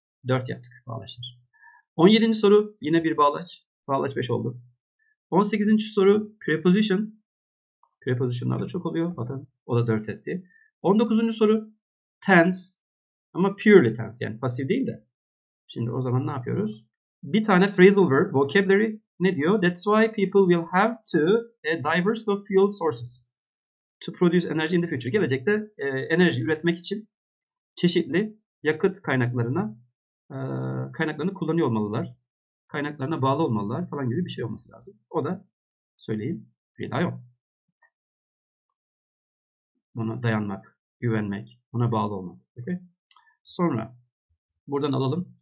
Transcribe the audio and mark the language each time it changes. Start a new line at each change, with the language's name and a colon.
Turkish: 4 yaptık bağlaçlar. 17. soru yine bir bağlaç. Bağlaç 5 oldu. 18. soru preposition. Prepositionlar da çok oluyor. Bakın o da 4 etti. 19. soru tense. Ama
English: purely tense,
Turkish: yani pasif değil de. Şimdi o zaman ne yapıyoruz? Bir tane phrasal verb, vocabulary ne diyor?
English: That's why people will have to diverse of fuel sources to produce energy in the future.
Turkish: Gelecekte enerji üretmek için çeşitli yakıt kaynaklarına kaynaklarını kullanıyor olmalılar. Kaynaklarına bağlı olmalılar falan gibi bir şey olması lazım. O da söyleyeyim, rely on. Buna dayanmak, güvenmek, buna bağlı olmak. Okay? Sonra buradan alalım.